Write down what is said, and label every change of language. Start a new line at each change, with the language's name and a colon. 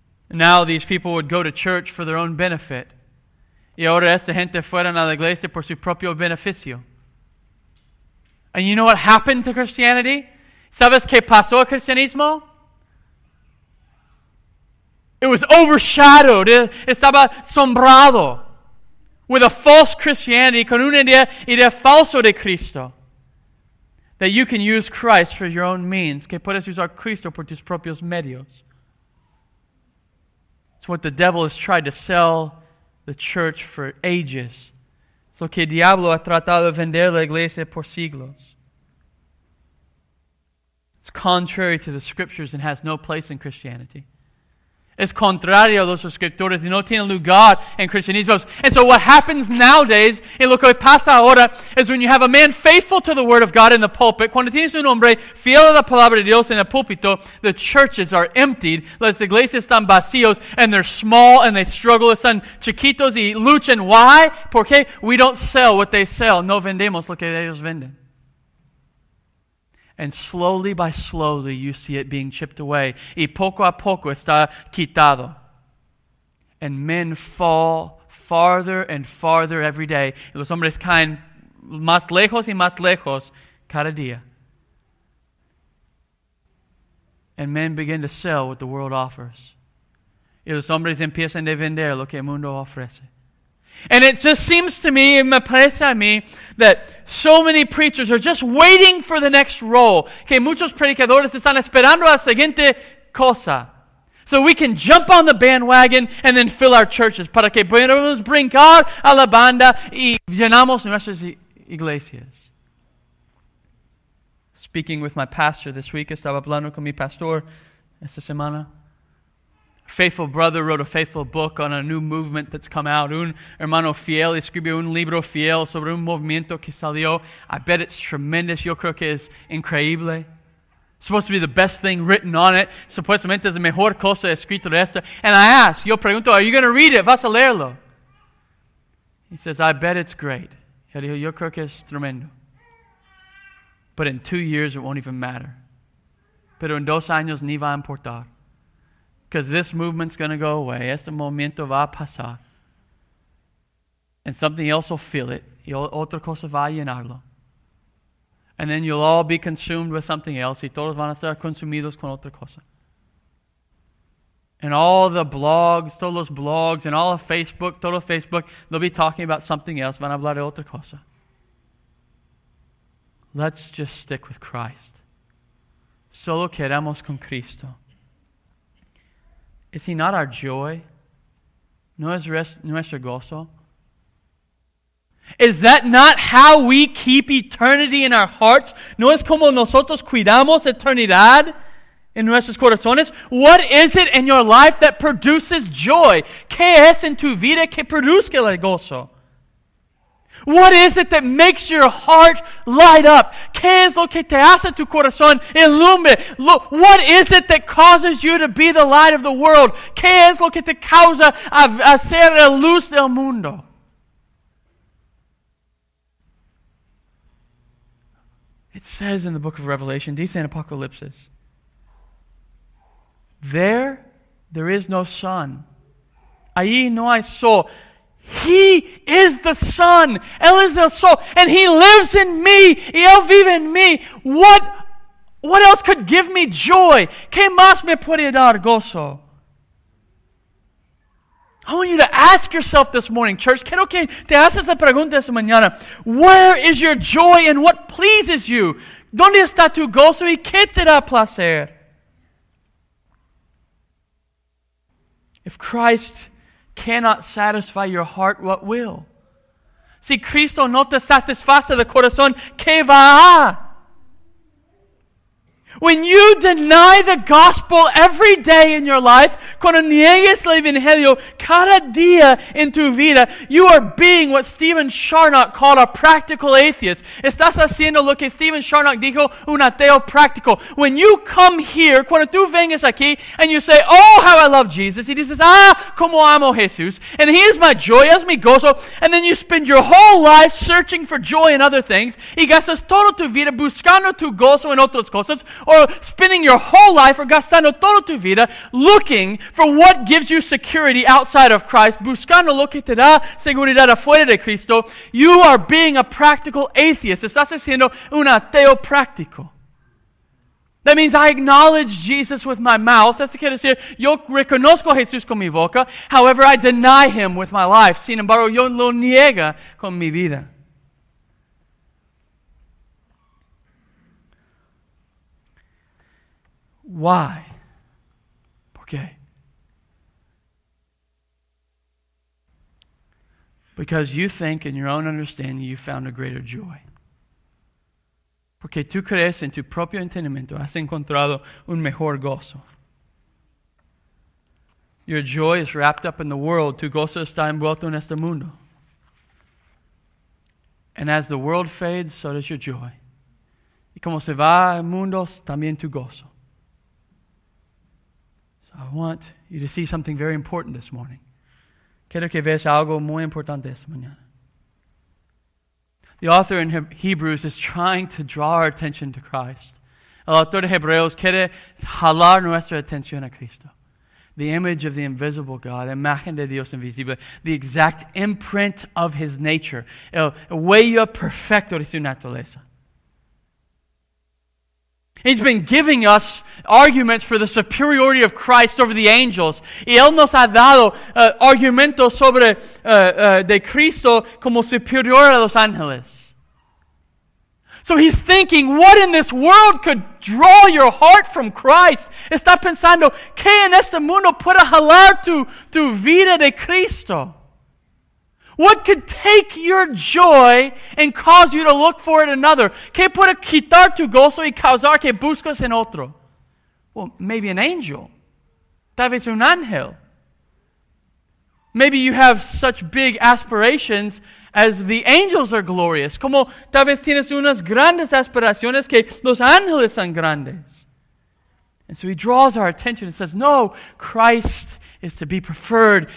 English: Now these people would go to church for their own benefit.
Spanish: Y ahora esta gente fueron a la iglesia por su propio beneficio.
English: And you know what happened to Christianity?
Spanish: ¿Sabes qué pasó al cristianismo?
English: It was overshadowed.
Spanish: Estaba sombrado
English: with a false Christianity,
Spanish: con una idea falso de Cristo.
English: That you can use Christ for your own means.
Spanish: Que puedes usar Cristo por tus propios medios.
English: What the devil has tried to sell the church for ages.
Spanish: So que el diablo ha tratado de vender la iglesia por siglos.
English: It's contrary to the scriptures and has no place in Christianity.
Spanish: Es contrario a los escritores y no tiene lugar en cristianismo.
English: And so what happens nowadays,
Spanish: y lo que pasa ahora,
English: is when you have a man faithful to the word of God in the pulpit,
Spanish: cuando tienes un hombre fiel a la palabra de Dios en el púlpito,
English: the churches are emptied,
Spanish: las iglesias están vacíos,
English: and they're small, and they struggle,
Spanish: están chiquitos y luchan.
English: Why?
Spanish: Porque
English: we don't sell what they sell.
Spanish: No vendemos lo que ellos venden.
English: And slowly by slowly, you see it being chipped away.
Spanish: Y poco a poco está quitado.
English: And men fall farther and farther every day.
Spanish: Y los hombres caen más lejos y más lejos cada día.
English: And men begin to sell what the world offers.
Spanish: Y los hombres empiezan a vender lo que el mundo ofrece.
English: And it just seems to me,
Spanish: me parece a mí,
English: that so many preachers are just waiting for the next role.
Spanish: Que muchos predicadores están esperando la siguiente cosa.
English: So we can jump on the bandwagon and then fill our churches.
Spanish: Para que podamos brincar a la banda y llenamos nuestras iglesias.
English: speaking with my pastor this week.
Spanish: Estaba hablando con mi pastor esta semana.
English: A faithful brother wrote a faithful book on a new movement that's come out.
Spanish: Un hermano fiel escribió un libro fiel sobre un movimiento que salió.
English: I bet it's tremendous.
Spanish: Yo creo que es increíble.
English: Supposed to be the best thing written on it.
Spanish: Supuestamente es la mejor cosa escrito de esto.
English: And I ask,
Spanish: yo pregunto,
English: are you going to read it?
Spanish: ¿Vas a leerlo?
English: He says, I bet it's great.
Spanish: Él dijo, yo creo que es tremendo.
English: But in 2 years, it won't even matter.
Spanish: Pero en 2 años, ni va a importar.
English: Because this movement's going to go away.
Spanish: Este movimiento va a pasar.
English: And something else will fill it.
Spanish: Y otra cosa va a llenarlo.
English: And then you'll all be consumed with something else.
Spanish: Y todos van a estar consumidos con otra cosa.
English: And all the blogs,
Spanish: todos los blogs,
English: and all of Facebook,
Spanish: todo Facebook,
English: they'll be talking about something else.
Spanish: Van a hablar de otra cosa.
English: Let's just stick with Christ.
Spanish: Solo quedamos con Cristo.
English: Is he not our joy?
Spanish: ¿No es nuestro gozo?
English: Is that not how we keep eternity in our hearts?
Spanish: ¿No es como nosotros cuidamos eternidad en nuestros corazones?
English: What is it in your life that produces joy?
Spanish: ¿Qué es en tu vida que produzca el gozo?
English: What is it that makes your heart light up?
Spanish: ¿Qué es lo que te hace tu corazón ilumine?
English: What is it that causes you to be the light of the world?
Spanish: ¿Qué es lo que te causa a ser la luz del mundo?
English: It says in the book of Revelation,
Spanish: dice en Apocalipsis,
English: there is no sun.
Spanish: Allí no hay sol.
English: He is the Son.
Spanish: Él es el Sol.
English: And He lives in me.
Spanish: Y Él vive en me.
English: What else could give me joy?
Spanish: ¿Qué más me puede dar gozo?
English: I want you to ask yourself this morning, church.
Spanish: ¿Qué que te haces la pregunta esta mañana?
English: Where is your joy and what pleases you?
Spanish: ¿Dónde está tu gozo y qué te da placer?
English: If Christ cannot satisfy your heart, what will?
Spanish: Si Cristo no te satisface el corazón, ¿qué va?
English: When you deny the gospel every day in your life,
Spanish: cuando niegas el evangelio cada día en tu vida,
English: you are being what Stephen Charnock called a practical atheist.
Spanish: Estás haciendo lo que Stephen Charnock dijo, un ateo practical.
English: When you come here,
Spanish: cuando tú vengas aquí,
English: and you say, oh, how I love Jesus,
Spanish: y dices, ah, como amo Jesús,
English: and he is my joy,
Spanish: es mi gozo,
English: and then you spend your whole life searching for joy in other things,
Spanish: y gastas toda tu vida buscando tu gozo en otras cosas,
English: or spending your whole life or
Spanish: gastando toda tu vida
English: looking for what gives you security outside of Christ,
Spanish: buscando lo que te da seguridad afuera de Cristo,
English: you are being a practical atheist.
Spanish: Estás siendo un ateo práctico.
English: That means I acknowledge Jesus with my mouth. That's what it says.
Spanish: Yo reconozco a Jesús con mi boca.
English: However, I deny him with my life.
Spanish: Sin embargo, yo lo niego con mi vida.
English: Why?
Spanish: ¿Por qué?
English: Because you think in your own understanding you found a greater joy.
Spanish: Porque tú crees en tu propio entendimiento has encontrado un mejor gozo.
English: Your joy is wrapped up in the world.
Spanish: Tu gozo está envuelto en este mundo.
English: And as the world fades, so does your joy.
Spanish: Y como se va el mundo, también tu gozo.
English: I want you to see something very important this morning.
Spanish: Quiero que veas algo muy importante esta mañana.
English: The author in Hebrews is trying to draw our attention to Christ.
Spanish: El autor de Hebreos quiere jalar nuestra atención a Cristo.
English: The image of the invisible God,
Spanish: imagen de Dios invisible,
English: the exact imprint of His nature,
Spanish: el huella perfecto de su naturaleza.
English: He's been giving us arguments for the superiority of Christ over the angels.
Spanish: Y Él nos ha dado argumentos sobre de Cristo como superior a los ángeles.
English: So he's thinking, what in this world could draw your heart from Christ?
Spanish: Está pensando, ¿qué en este mundo puede jalar tu vida de Cristo?
English: What could take your joy and cause you to look for it another?
Spanish: ¿Qué puede quitar tu gozo y causar que buscas en otro?
English: Well, maybe an angel.
Spanish: Tal vez un ángel.
English: Maybe you have such big aspirations as the angels are glorious.
Spanish: Como tal vez tienes unas grandes aspiraciones que los ángeles son grandes.
English: And so he draws our attention and says, no, Christ is to be preferred.